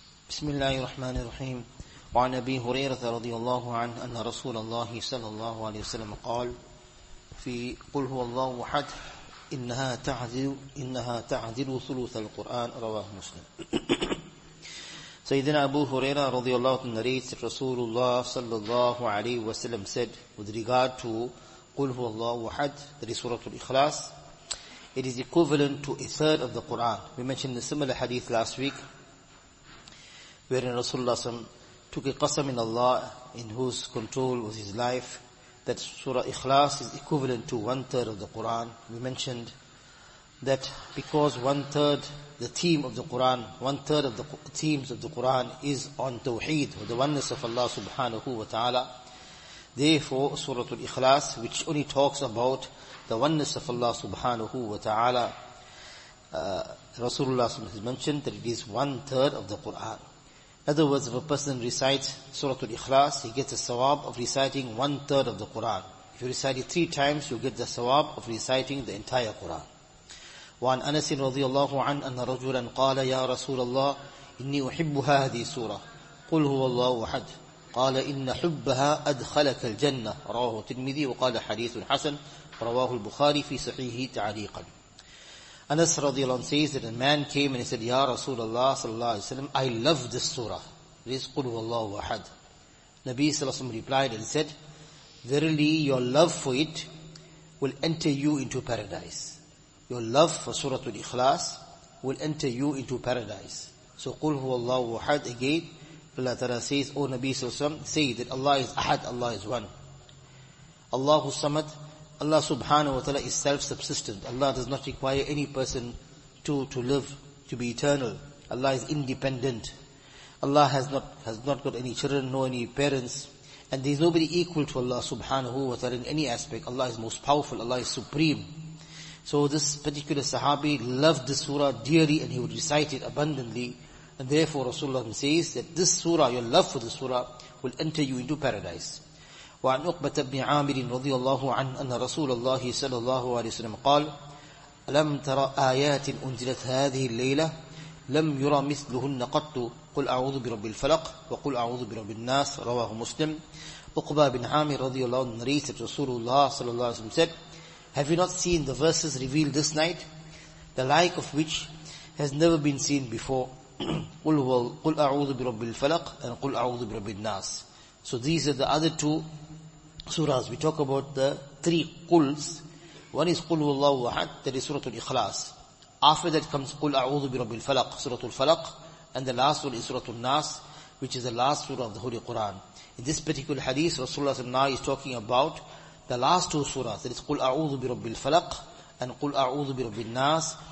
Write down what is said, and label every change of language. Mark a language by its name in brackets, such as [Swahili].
[Arabic] بسم الله الرحمن الرحيم وعن ابي هريره رضي الله عنه ان رسول الله صلى الله عليه وسلم قال في قل هو الله احد انها تعدل ثلث القران رواه مسلم سيدنا ابو هريره رضي الله عنه [English] narrates [Arabic] رسول الله صلى الله عليه وسلم [English] said with regard to [Arabic] قل هو الله احد [English] that is [Arabic] سوره الاخلاص [English] it is equivalent to a third of the Quran. We mentioned a similar hadith last week wherein Rasulullah SAW took a qasam in Allah in whose control was his life, that Surah Ikhlas is equivalent to one third of the Quran. We mentioned that because one third, the theme of the Quran, one third of the themes of the Quran is on Tawheed, or the oneness of Allah subhanahu wa ta'ala. Therefore, Surah Al-Ikhlas, which only talks about the oneness of Allah subhanahu wa ta'ala, Rasulullah SAW has mentioned that it is one third of the Quran. In other words, if a person recites Surah Al-Ikhlas, he gets a sawab of reciting one third of the Quran. If you recite it three times, you get the sawab of reciting the entire Quran. [Arabic] وَعَنْ أَنَسٍ رَضِيَ اللَّهُ عَنْ أَنَّ رَجُلًا قَالَ يَا رَسُولَ اللَّهِ إِنِّي أُحِبُّ هَذِي سُورَةِ قُلْ هُوَ اللَّهُ وَحَدْ قَالَ إِنَّ حُبَّهَا أَدْخَلَكَ الْجَنَّةِ رواه الترمذي وقال حديث حسن رواه البخاري في صحيحه تعليقا. [English] Anas radiallahu anhu says that a man came and he said, Ya Rasulullah sallallahu alayhi wa sallam, I love this surah. This is Qul huwallahu ahad. Nabi sallallahu alayhi wa sallam replied and said, verily your love for it will enter you into paradise. Your love for Surah Al-Ikhlas will enter you into paradise. So Qul huwallahu ahad again, Allah ta'ala says, O Nabi sallallahu alayhi wa sallam, say that Allah is ahad, Allah is one. Allahu samad. Allah subhanahu wa ta'ala is self-subsistent. Allah does not require any person to live, to be eternal. Allah is independent. Allah has not got any children, nor any parents. And there is nobody equal to Allah subhanahu wa ta'ala in any aspect. Allah is most powerful. Allah is supreme. So this particular sahabi loved this surah dearly and he would recite it abundantly. And therefore Rasulullah says that this surah, your love for the surah, will enter you into paradise. [Arabic] وعن عقبة بن عامر رضي الله عنه أن رسول الله صلى الله عليه وسلم قال لم تر آيات أنزلت هذه الليلة لم يرى مثلهن قط قل أعوذ برب الفلق وقل أعوذ برب الناس رواه مسلم. عقبة بن عامر رضي الله عنه [English] narrated [Arabic] رسول الله صلى الله عليه وسلم [English] said, have you not seen the verses revealed this night, the like of which has never been seen before? [Arabic] قل أعوذ برب الفلق and قل أعوذ برب الناس. [English] So these are the other two surahs. We talk about the three quls. One is Qul Huwallahu Ahad, that is Surah Al-Ikhlas. After that comes Qul A'udhu Bi Rabbil Falaq, Surah Al-Falaq. And the last one is Surah Al-Nas, which is the last surah of the Holy Quran. In this particular hadith, Rasulullah SAW is talking about the last two surahs, that is Qul A'udhu Bi Rabbil Falaq and Qul A'udhu Bi Rabbil Nas.